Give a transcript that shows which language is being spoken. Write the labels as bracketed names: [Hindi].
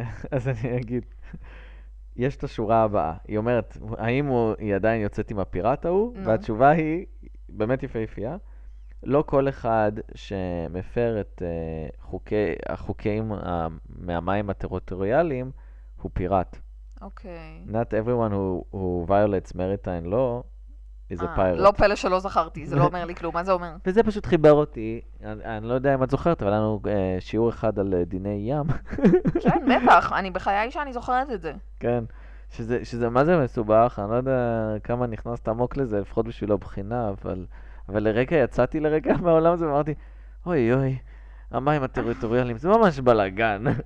[Hebrew] אז אני אגיד, יש את השורה הבאה. היא אומרת, האם היא עדיין יוצאת עם הפירט ההוא? והתשובה היא, באמת יפהפייה, לא כל אחד שמפר את החוקים מהמים הטריטוריאליים הוא פיראט. אוקיי. [English] Not everyone who violates maritime law is a pirate. [Hebrew] לא פלא שלא זכרתי, זה לא אומר לי כלום, מה זה אומר? וזה פשוט חיבר אותי, אני לא יודע אם את זוכרת, אבל לנו שיעור אחד על דיני ים. כן, בטח, אני בחיי שאני זוכרת את זה. כן, שזה מה זה מסובך, אני לא יודע כמה נכנסת עמוק לזה, לפחות בשביל הבחינה, אבל לרגע יצאתי לרגע מהעולם הזה, ואמרתי, אוי אוי, המים הטריטוריאליים, זה ממש בלגן.